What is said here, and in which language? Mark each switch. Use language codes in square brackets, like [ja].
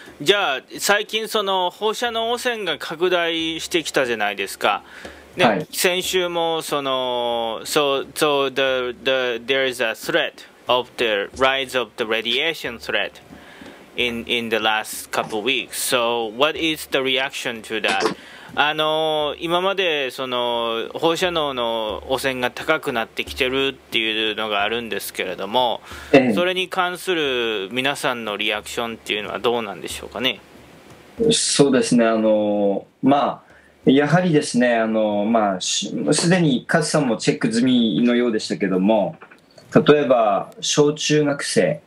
[ja] じゃあ最近その放射能汚染が拡大してきたじゃないですか。はい、先週もその [en] so there is a threat of the rise of the radiation threat in the last couple weeks. So what is the reaction to that? [ja] 今までその放射能の汚染が高くなってきてるっていうのがあるんですけれども、それに関する皆さんのリアクションっていうのはどうなんでしょうかね。そうですね、やはりですね、すでにカズさんもチェック済みのようでしたけども、例えば小中学生、